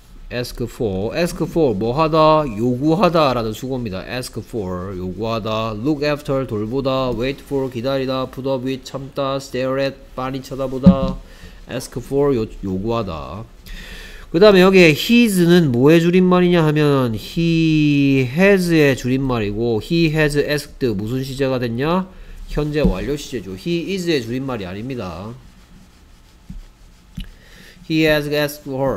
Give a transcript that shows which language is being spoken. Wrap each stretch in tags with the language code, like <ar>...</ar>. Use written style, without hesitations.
<ko>ask for 뭐하다 요구하다라는 수고입니다.</ko> <en>ask for 요구하다. look after 돌보다. wait for 기다리다. put up with 참다. stare at 빤히 쳐다보다. ask for 요구하다.</en> <ko>그 다음에 여기에 his는 뭐의 줄임말이냐 하면 he has의 줄임말이고 he has asked 무슨 시제가 됐냐? 현재 완료 시제죠. He is의 줄임말이 아닙니다.</ko> <en>He has asked for.</en>